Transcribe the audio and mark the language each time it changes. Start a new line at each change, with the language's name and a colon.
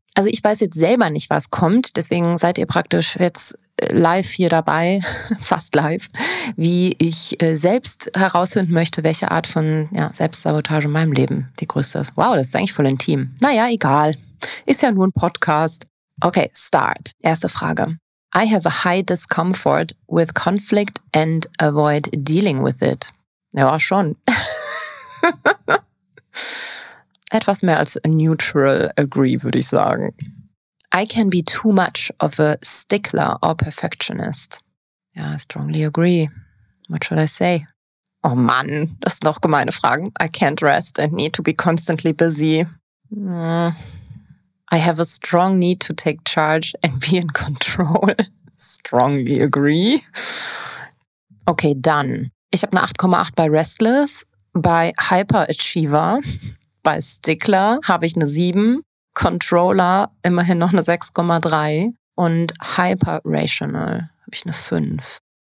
German: Also ich weiß jetzt selber nicht, was kommt, deswegen seid ihr praktisch jetzt live hier dabei, fast live, wie ich selbst herausfinden möchte, welche Art von Selbstsabotage in meinem Leben die größte ist. Wow, das ist eigentlich voll intim. Naja, egal. Ist ja nur ein Podcast. Okay, start. Erste Frage.
English: I have a high discomfort with conflict and avoid dealing with it.
German: Ja, schon. Etwas mehr als
English: neutral agree,
German: würde ich sagen.
English: I can be too much of a stickler or perfectionist. Ja, I strongly agree. What should I say?
German: Oh Mann, das sind auch gemeine Fragen.
English: I can't rest and need to be constantly busy. I have a strong need to take charge and be in control. Strongly agree. Okay, done.
German: Ich habe eine 8,8 bei Restless, bei Hyperachiever, bei Stickler habe ich eine 7, Controller immerhin noch eine 6,3 und Hyperrational habe ich eine 5.